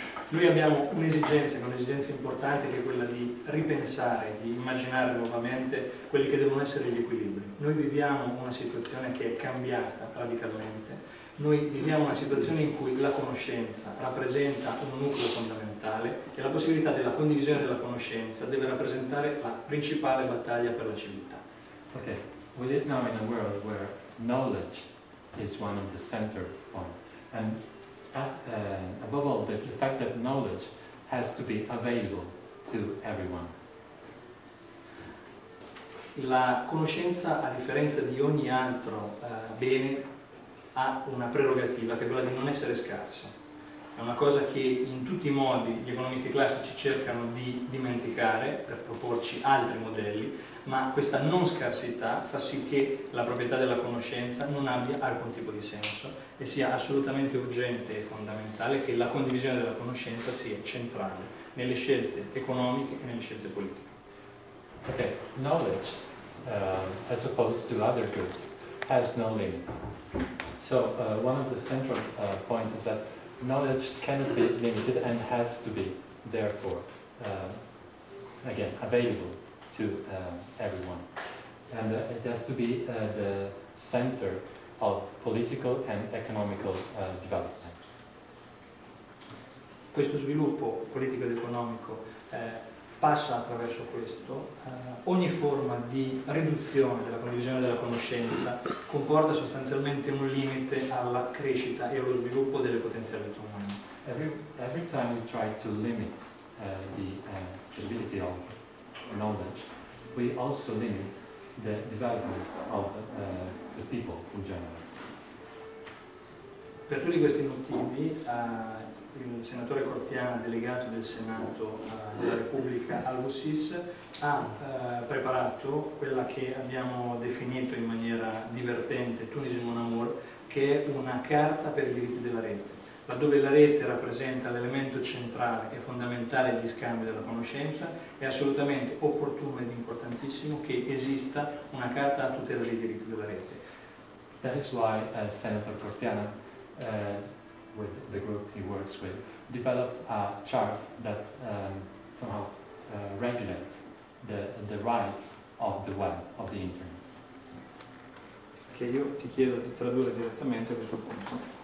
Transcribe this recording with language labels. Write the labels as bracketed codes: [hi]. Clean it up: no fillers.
[it] Noi abbiamo un'esigenza importante, che è quella di ripensare, di immaginare nuovamente quelli che devono essere gli equilibri. Noi viviamo una situazione che è cambiata radicalmente. Noi viviamo una situazione in cui la conoscenza rappresenta un nucleo fondamentale e la possibilità della condivisione della conoscenza deve rappresentare la principale battaglia per la civiltà. [en] Ok, we live now in a world where knowledge is one of the center points. And that, above all, the fact that knowledge has to be available to everyone. [it] La conoscenza, a differenza di ogni altro bene, ha una prerogativa, che è quella di non essere scarsa. È una cosa che in tutti i modi gli economisti classici cercano di dimenticare per proporci altri modelli, ma questa non scarsità fa sì che la proprietà della conoscenza non abbia alcun tipo di senso e sia assolutamente urgente e fondamentale che la condivisione della conoscenza sia centrale nelle scelte economiche e nelle scelte politiche. [en] Ok, knowledge, as opposed to other goods, has no limit. So one of the central points is that knowledge cannot be limited and has to be, therefore, again, available to everyone. And it has to be the center of political and economical development. [it] Questo sviluppo politico ed economico passa attraverso questo. Ogni forma di riduzione della condivisione della conoscenza comporta sostanzialmente un limite alla crescita e allo sviluppo delle potenzialità umane. [en] Every time we try to limit the ability of knowledge, we also limit the development of the people in general. [it] Per tutti questi motivi, il senatore Cortiana, delegato del Senato della Repubblica Al-Busis, ha preparato quella che abbiamo definito in maniera divertente Tunis Mon Amour, che è una carta per i diritti della rete, laddove la rete rappresenta l'elemento centrale e fondamentale di scambio della conoscenza. È assolutamente opportuno ed importantissimo che esista una carta a tutela dei diritti della rete. [en] That is why Senator Cortiana, with the group he works with, developed a chart that somehow regulates the rights of the web, of the internet. [it] Che io ti chiedo di tradurre direttamente a questo punto.